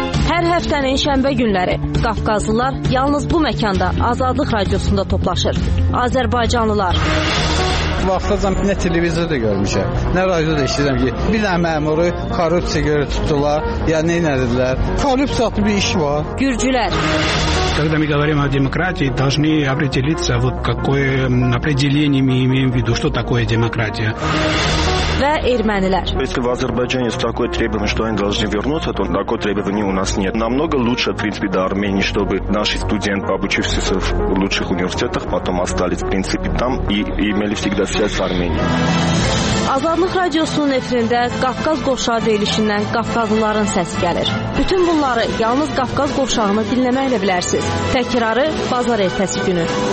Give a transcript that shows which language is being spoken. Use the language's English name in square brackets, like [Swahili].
[Azerbaijani] Hər həftənin şənbə günləri Qafqazlılar yalnız bu məkanda Azadlıq Radiosunda toplaşır. Azərbaycanlılar. Vaxtacam nə televizorda görmüşəm, nə radioda işləyirəm ki, bir dənə məmuru korrupsiya görə tutdular, ya nə edirlər? Korrupsiya bir iş var. Gürcülər. [Russian] Когда мы говорим о демократии, должны определиться, вот какое определение мы имеем в виду, что такое демократия. [Azerbaijani] Və ermənilər. [Russian] Если в Азербайджане есть такое требование, что они должны вернуться, то такое требование у нас нет. Намного лучше, в принципе, до Армении, чтобы наши студенты, обучившиеся в лучших университетах, потом остались, в принципе, там и имели всегда связь с Арменией. [Azerbaijani] Azadlıq Radiosunun efirində Qafqaz Qovşağı deyilişindən Qafqazlıların səsi gəlir. Bütün bunları yalnız Qafqaz Qovşağını dinləməklə bilərsiniz. Təkrarı bazar ertəsi günü.